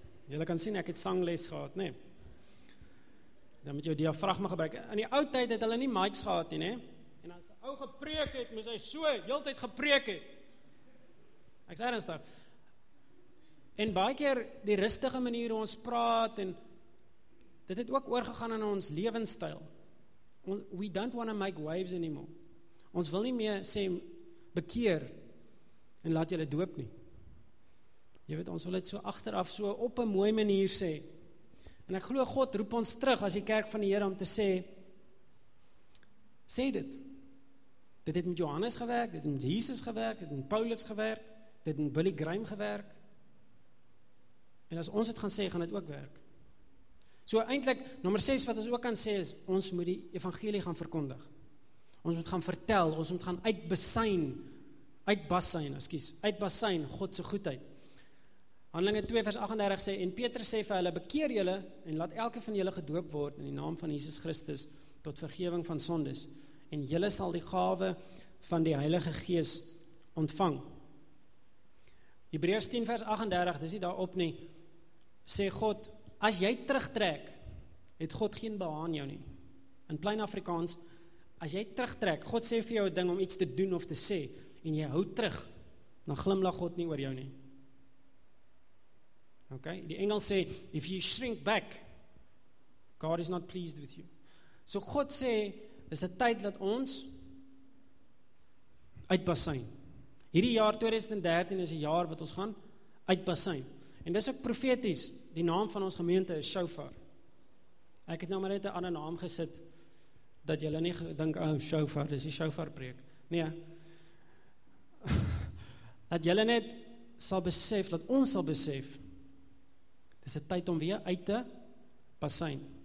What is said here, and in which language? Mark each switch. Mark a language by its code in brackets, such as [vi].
[af] Julle kan sien, ek het sangles gehad, nee? Dan moet jou diafragma gebruik. In die ou tyd het hulle nie mics gehad nie, nee? En as die ou gepreek het, moes hy so, heeltyd gepreek het. Ek is ernstig. En baie keer, die rustige manier hoe ons praat, en dit het ook oorgegaan in ons levensstyl. [en] We don't want to make waves anymore. [af] Ons wil nie meer sê, bekeer, en laat julle doop nie. Jy weet, ons wil dit so achteraf, so op 'n mooi manier sê, en ek glo God roep ons terug as die kerk van die Here om te sê, sê dit. Dit het met Johannes gewerk, dit het met Jesus gewerk, dit het met Paulus gewerk, dit het met Billy Graham gewerk. En as ons het gaan sê, gaan dit ook werk. So eintlik, nummer 6 wat ons ook kan sê is, ons moet die evangelie gaan verkondig. Ons moet gaan vertel, ons moet gaan uitbassein God se goedheid. Handelinge 2 vers 38 sê, en Petrus sê vir hulle, bekeer julle en laat elke van julle gedoop word in die naam van Jesus Christus tot vergeving van sondes. En julle sal die gawe van die Heilige Gees ontvang. Hebreërs 10 vers 38, dis nie daarop nie, sê God, as jy terugtrek, het God geen behaag in jou nie. In plain Afrikaans, as jy terugtrek, God sê vir jou ding om iets te doen of te sê, en jy hou terug, dan glimlag God nie oor jou nie. Okay, die Engels sê, [en] if you shrink back, God is not pleased with you. [af] So God sê, is die tyd dat ons uitbassein. Hierdie jaar 2013 is die jaar wat ons gaan uitbassein. En dis ook profeties, die naam van ons gemeente is Shofar. Ek het nou maar net 'n ander naam gesit, dat julle nie gedink, oh Shofar, dis die Shofar preek. Nee, dat julle net sal besef, dat ons sal besef, dis die tyd om weer uit te bassein.